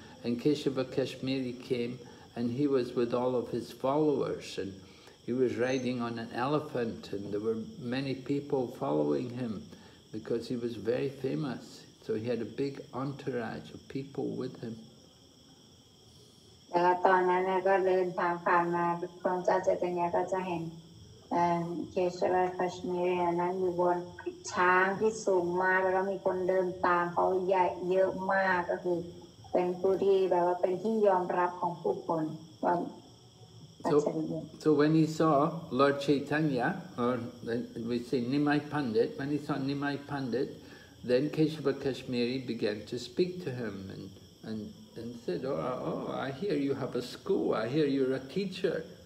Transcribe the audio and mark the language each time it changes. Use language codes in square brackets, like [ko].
[en] And Keshava Kashmiri came and he was with all of his followers and he was riding on an elephant and there were many people following him because he was very famous. So he had a big entourage of people with him. [th] แล้วตอนนั้นเนี่ยก็เดินทางผ่านมาพระองค์เจ้าเจตัญญาก็จะเห็นเคชวาคัชเมียนั้นอยู่บนช้างที่สูงมากแล้วก็มีคนเดินตามเขาใหญ่เยอะมากก็คือเป็นผู้ที่แบบว่าเป็นที่ยอมรับของผู้คนว่า [en] So when he saw Lord Chaitanya or we say Nimai Pandit when he saw Nimai Pandit then Keshava Kashmiri began to speak to him and said, oh, I hear you have a school, I hear you're a teacher.